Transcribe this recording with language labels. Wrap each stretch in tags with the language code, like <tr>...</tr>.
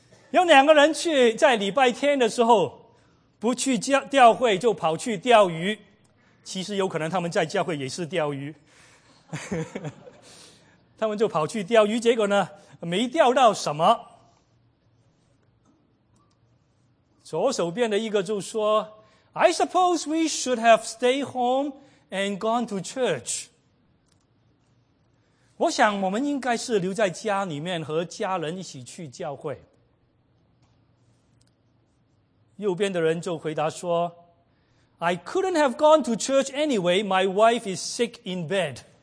<zh>有两个人去在礼拜天的时候不去教会，就跑去钓鱼。其实有可能他们在教会也是钓鱼。他们就跑去钓鱼，结果呢没钓到什么。左手边的一个就说，</zh> <en>I suppose we should have stayed home and gone to church。</en> <zh>我想我们应该是留在家里面和家人一起去教会。右边的人就回答说，</zh> <en>I couldn't have gone to church anyway, my wife is sick in bed。</en>